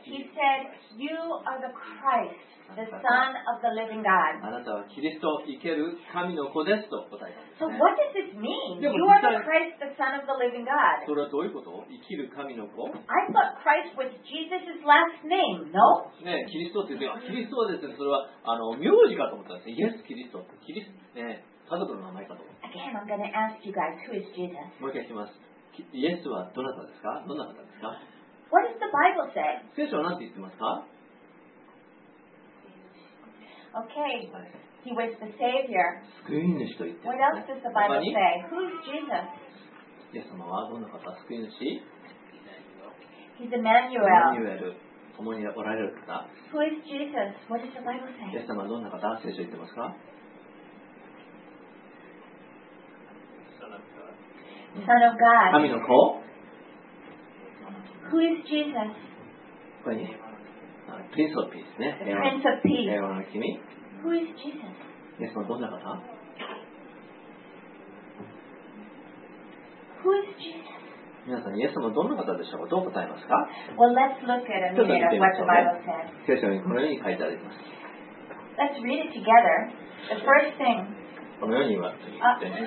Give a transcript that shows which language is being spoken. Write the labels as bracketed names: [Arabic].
[English] He said, "You are the Christ, the Son of the Living God." [Japanese] あなたはキリスト、生ける神の子ですと答えた。 [English] So what does this mean? You are the Christ, the Son of the Living God. [Japanese] それはどういうこと？生ける神の子？ [English] I thought Christ was Jesus' last name. No. [Japanese] ね、キリストって言って、キリストはですね、それは名字かと思ったんですね。 Yes, キリストって、キリストね、家族の名前かと思った。 [English] Again, I'm going to ask you guys, who is Jesus? [Japanese] もう一回します。イエスはどなたですか？どなたですか？ [English] What does the Bible say? [Japanese] 聖書は何て言ってますか？ [English] Okay, he was the Savior. [Japanese] 救い主と言ってますね。 [English] What else does the Bible say? Who's Jesus? [Japanese] イエス様はどんな方？救い主？ [English] He's Emmanuel. [Japanese] Emmanuel. 共におられる方。 [English] Who is Jesus? What does the Bible say? [Japanese] イエス様はどんな方？聖書を言ってますか？ [English] Son of God. [Japanese] 神の子。 [English] Who is Jesus? [Japanese] ここに、 [English] Prince of Peace [Japanese] ね。 [English] The Prince of Peace. [Japanese] 平和の君。 [English] Who is Jesus? [Japanese] イエス様はどんな方？ [English] Who is Jesus? [Japanese] 皆さん、イエス様はどんな方でしょうか？どう答えますか？ [English] Well, let's look at a minute of what the Bible says. [Japanese] 聖書にこのように書いてあります。 [English] Let's read it together. The first thing. [Japanese] このように言われています